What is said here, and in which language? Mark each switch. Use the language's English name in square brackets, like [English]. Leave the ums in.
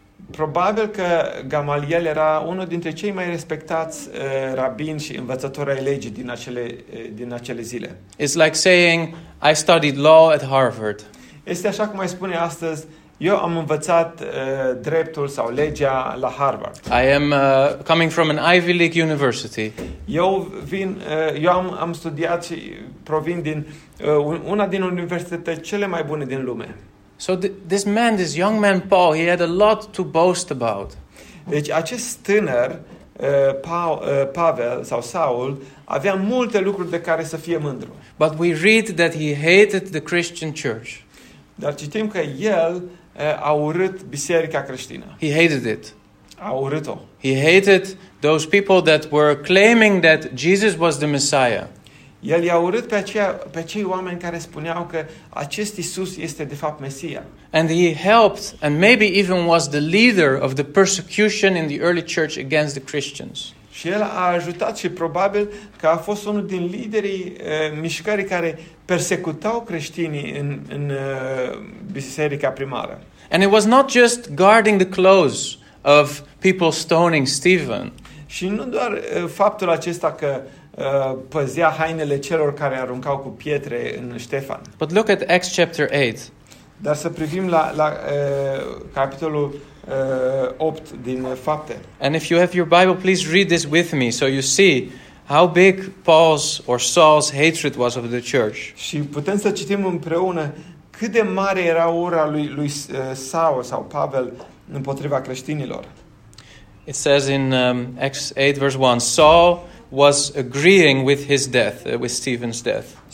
[Romanian] Probabil că Gamaliel era unul dintre cei mai respectați uh, rabini și învățători ai legii din acele, uh, din acele zile. [English] It's like saying, I studied law at Harvard. [Romanian] Este așa cum mai spune astăzi, eu am învățat uh, dreptul sau legea la Harvard. [English] I am uh, coming from an Ivy League university. [Romanian] Eu vin, uh, eu am, am studiat și provin din uh, una din universitățile cele mai bune din lume. [English] So this man, this young man Paul, he had a lot to boast about. [Romanian] Deci, acest tânăr, pa, Pavel sau Saul, avea multe lucruri de care să fie mândru. [English] But we read that he hated the Christian church. [Romanian] Dar citim că el a urât biserica creștină. [English] He hated it. [Romanian] A urât-o. [English] He hated those people that were claiming that Jesus was the Messiah. [Romanian] El i-a urât pe, aceia, pe cei oameni care spuneau că acest Isus este de fapt Mesia. [English] And he helped and maybe even was the leader of the persecution in the early church against the Christians. [Romanian] Și el a ajutat și probabil că a fost unul din liderii uh, mișcării care persecutau creștinii în, în uh, biserica primară. [English] And it was not just guarding the clothes of people stoning Stephen. [Romanian] Și nu doar uh, faptul acesta că Uh, păzea hainele celor care aruncau cu pietre în Ștefan. [English] But look at Acts chapter 8. [Romanian] Dar să privim la, la uh, capitolul uh, 8 din uh, fapte. [English] And if you have your Bible, please read this with me so you see how big Paul's or Saul's hatred was of the church. [Romanian] Și putem să citim împreună cât de mare era ura lui, lui uh, Saul sau Pavel împotriva creștinilor. [English] It says in um, Acts 8 verse 1, Saul was agreeing with his death, uh, with Stephen's death.